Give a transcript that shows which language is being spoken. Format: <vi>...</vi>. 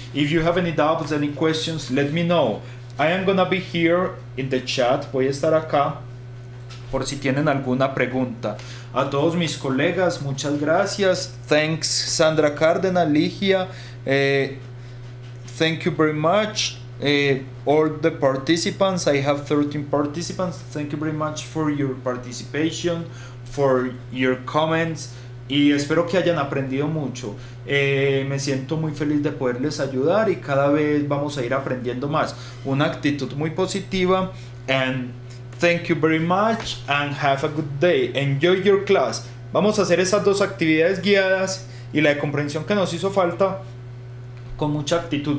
<en>If you have any doubts, any questions, let me know. I am gonna be here in the chat.</en> <es>Voy a estar acá por si tienen alguna pregunta. A todos mis colegas, muchas gracias.</es> <en>Thanks,</en> <es>Sandra Cárdenas, Ligia.</es> <en>Thank you very much. All the participants, I have 13 participants. Thank you very much for your participation, for your comments.</en> <es>Y espero que hayan aprendido mucho. Me siento muy feliz de poderles ayudar y cada vez vamos a ir aprendiendo más. Una actitud muy positiva.</es> <en>And thank you very much and have a good day. Enjoy your class.</en> <es>Vamos a hacer esas dos actividades guiadas y la de comprensión que nos hizo falta con mucha actitud.</es>